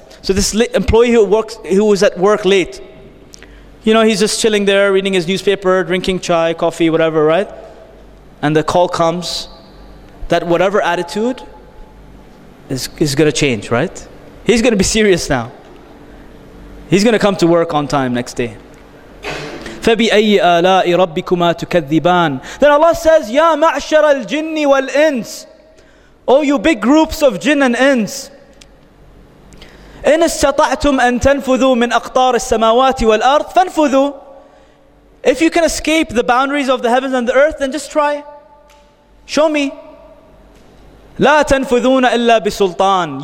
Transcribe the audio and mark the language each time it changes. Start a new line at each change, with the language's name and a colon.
English: So this employee who was at work late, you know, he's just chilling there, reading his newspaper, drinking chai, coffee, whatever, right? And the call comes, that whatever attitude is going to change, right? He's going to be serious now. He's going to come to work on time next day.
Arabic: فَبِأَيِّ آلَاءِ رَبِّكُمَا تُكَذِّبَانِ.
English: Then Allah says,
Arabic: يَا مَعْشَرَ الْجِنِّ وَالْإِنسِ.
English: Oh, you big groups of jinn and ins.
Arabic: إِنِ اسْتَطَعْتُمْ أَن تَنْفُذُوا مِنْ أَقْطَارِ السَّمَاوَاتِ وَالْأَرْضِ فَانْفُذُوا.
English: If you can escape the boundaries of the heavens and the earth, then just try. Show me.
Arabic: لَا تَنْفُذُونَ إِلَّا بِسُلْطَانِ.